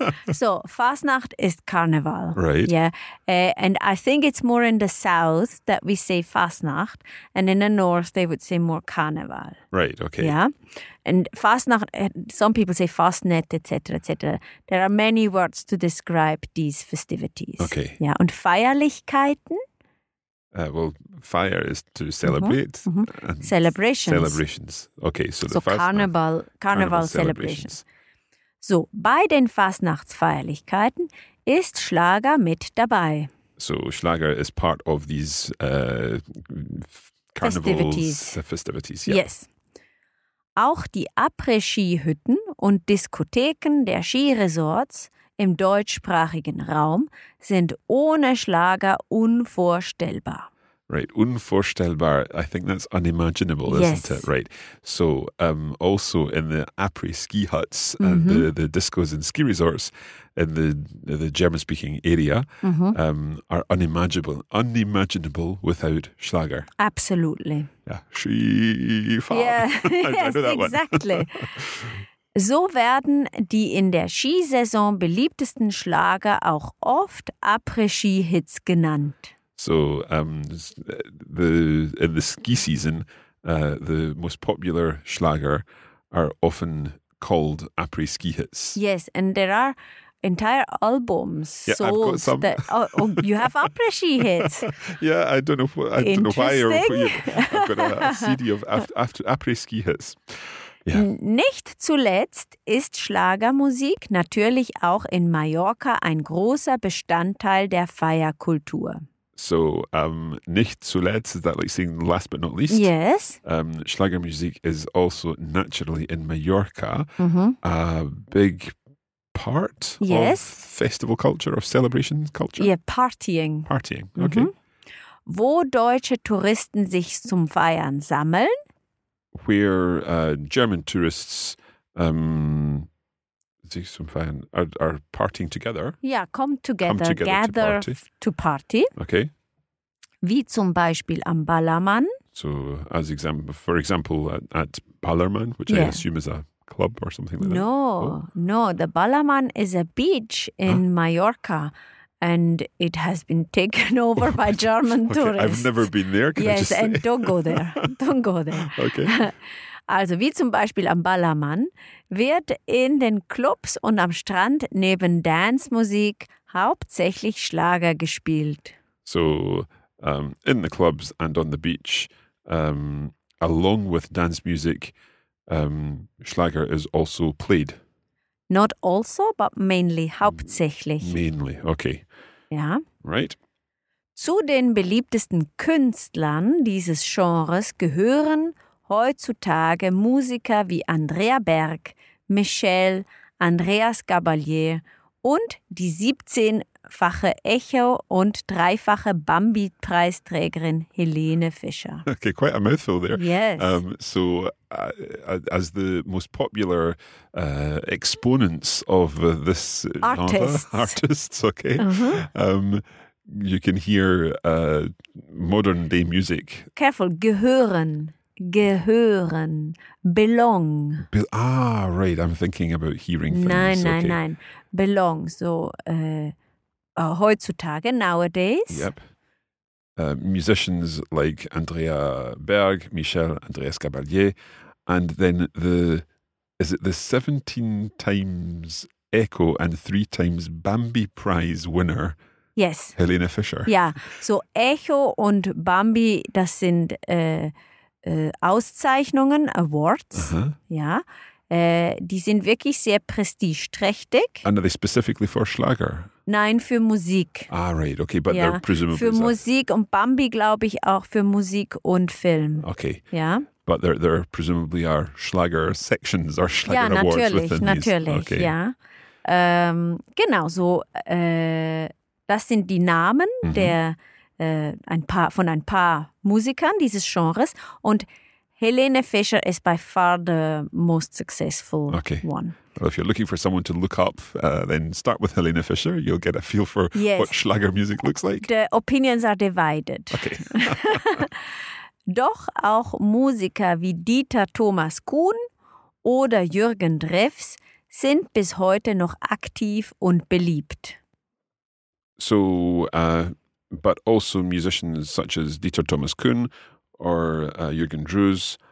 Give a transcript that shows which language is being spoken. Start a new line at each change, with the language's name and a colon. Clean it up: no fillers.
German: So, Fastnacht ist Karneval.
English: Right. Yeah. And I think it's more in the south that we say Fastnacht and in the north they would say more Karneval. Right, okay. Yeah. And Fastnacht, some people say Fastnet, etc., etc. There are many words to describe these festivities. Okay.
German: Yeah. Und Feierlichkeiten?
English: Fire is to celebrate. Mm-hmm. Celebrations. Celebrations. Okay, so the Fastnacht. Carnival celebrations.
German: So, bei den Fastnachtsfeierlichkeiten ist Schlager mit dabei.
English: So, Schlager is part of these carnivals. Festivities. Yeah. Yes.
German: Auch die Après-Ski-Hütten und Diskotheken der Skiresorts im deutschsprachigen Raum sind ohne Schlager unvorstellbar.
English: Right, unvorstellbar. I think that's unimaginable, isn't it? Right. So, also in the après ski huts and the discos and ski resorts in the German speaking area are unimaginable without Schlager. Absolutely. Yeah, Skifahren. Yeah, yes, that one. Exactly. So werden die in der Skisaison beliebtesten Schlager auch oft après ski hits genannt. So, in the ski season, the most popular Schlager are often called après-ski hits. Yes, and there are entire albums sold. I've got some. You have après-ski hits. Yeah, I don't know I've got a CD of après-ski hits. Yeah.
German: Nicht zuletzt ist Schlagermusik natürlich auch in Mallorca ein großer Bestandteil der Feierkultur.
English: So,
German: nicht zuletzt,
English: is that like saying last but not least? Yes. Schlager music is also naturally in Mallorca a big part of festival culture, of celebration culture. Yeah, partying. Partying, okay.
German: Wo deutsche Touristen sich zum Feiern sammeln?
English: Where German tourists
German: sich zum Feiern
English: are partying together. Yeah, come together to party. Okay. Wie zum Beispiel am Ballermann. So, as for example, at Ballermann, which I assume is a club or something like that. No, the Ballermann is a beach in Mallorca, and it has been taken over by German tourists. I've never been there, can I just say? And don't go there. Okay.
German: Also, wie zum Beispiel am Ballermann, wird in den Clubs und am Strand neben Dancemusik hauptsächlich Schlager gespielt.
English: So, in the clubs and on the beach, along with dance music, Schlager is also played. Not also, but mainly, hauptsächlich. Mainly, okay.
German: Ja.
English: Right.
German: Zu den beliebtesten Künstlern dieses Genres gehören heutzutage Musiker wie Andrea Berg, Michelle, Andreas Gabalier und die 17-fache Echo- und dreifache Bambi-Preisträgerin Helene Fischer.
English: Okay, quite a mouthful there. Yes. As the most popular exponents of this artists, okay. Mm-hmm. You can hear modern day music. Careful, gehören, belong. Right, I'm thinking about hearing things. Nein, belong. So, heutzutage, nowadays. Yep. Musicians like Andrea Berg, Michel, Andreas Gabalier, and then is it the 17 times Echo and 3 times Bambi Prize winner? Yes. Helene Fischer.
German: Ja, so Echo und Bambi, das sind Auszeichnungen, Awards. Uh-huh. Ja, die sind wirklich sehr prestigeträchtig.
English: And are they specifically for Schlager?
German: Nein, für Musik.
English: Ah, right, okay, but they're presumably...
German: Für Musik und Bambi, glaube ich, auch für Musik und Film.
English: Okay.
German: Ja.
English: But there presumably are Schlager sections or Schlager
German: ja,
English: Awards
German: natürlich,
English: within
German: natürlich,
English: these. Okay.
German: Ja, natürlich, natürlich, ja. Genau, so... Das sind die Namen ein paar Musikern dieses Genres. Und Helene Fischer ist
English: by far the most successful one. Well, if you're looking for someone to look up, then start with Helene Fischer. You'll get a feel for what Schlager music looks like. The opinions are divided. Okay.
German: Doch auch Musiker wie Dieter Thomas Kuhn oder Jürgen Drews sind bis heute noch aktiv und beliebt.
English: So, but also musicians such as Dieter Thomas Kuhn or Jürgen Drews.